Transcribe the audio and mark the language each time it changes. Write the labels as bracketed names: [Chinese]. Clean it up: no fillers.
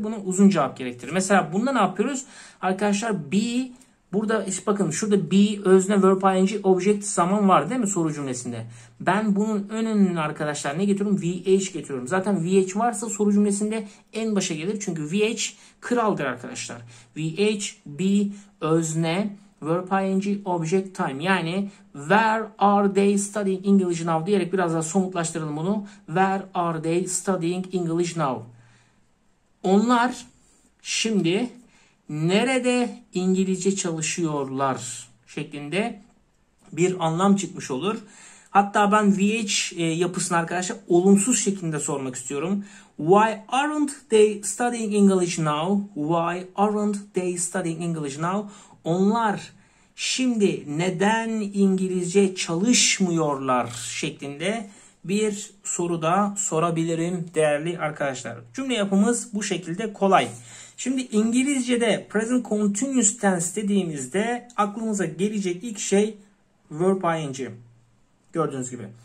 [Turkish] Bunu uzun cevap gerektirir. Mesela bunda ne yapıyoruz? Arkadaşlar be, burada işte bakın şurada be, özne, verb, ing, object, zaman var değil mi soru cümlesinde? Ben bunun önünün arkadaşlar ne getiriyorum? VH getiriyorum. Zaten VH varsa soru cümlesinde en başa gelir. Çünkü VH kraldır arkadaşlar. VH, be, özne, verb ing, object time. Yani [English] where are they studying English now [Turkish] diyerek biraz daha somutlaştıralım bunu. [English] Where are they studying English now? [Turkish] Onlar şimdi nerede İngilizce çalışıyorlar şeklinde bir anlam çıkmış olur. Hatta ben VH yapısını arkadaşlar olumsuz şekilde sormak istiyorum. [English] Why aren't they studying English now? Why aren't they studying English now? [Turkish] Onlar şimdi neden İngilizce çalışmıyorlar şeklinde bir soru da sorabilirim değerli arkadaşlar. Cümle yapımız bu şekilde kolay. Şimdi İngilizce'de present continuous tense dediğimizde aklımıza gelecek ilk şey verb ing. Gördüğünüz gibi.